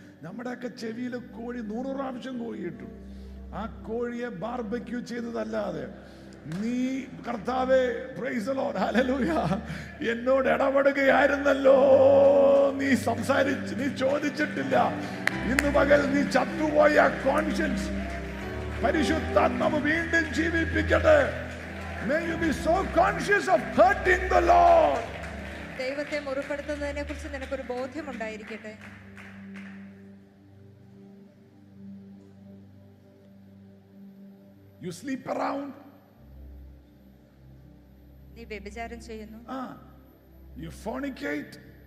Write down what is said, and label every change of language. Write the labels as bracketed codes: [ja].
[ml] നമ്മുടെ ഒക്കെ ചെവിയിൽ കോഴി 100 പ്രാവശ്യം കോഴിയിട്ടു. ആ കോഴിയെ ബാർബക്യൂ ചെയ്തതല്ലാതെ നീ കർത്താവേ, [en] praise the lord, [ml] ഹല്ലേലൂയ, എന്നോട് ഇടപെടുകയായിരുന്നല്ലോ, നീ സംസാരിച്ച് നീ ചോദിച്ചിട്ടില്ല. ഇന്ന് പകൽ നീ ചത്തുപോയ കോൺഷ്യൻസ് പരിശുദ്ധാത്മാവ് വീണ്ടും ജീവിപ്പിക്കട്ടെ. [en] May you be so conscious of hurting the Lord. [ml] ദൈവത്തെ മുറിപ്പെടുത്തുന്നതിനെ കുറിച്ച് നിനക്കൊരു ബോധ്യം ഉണ്ടായിരിക്കട്ടെ. [en] You sleep around. [ml] നീ വ്യഭിചാരം ചെയ്യുന്നു. [en] You fornicate.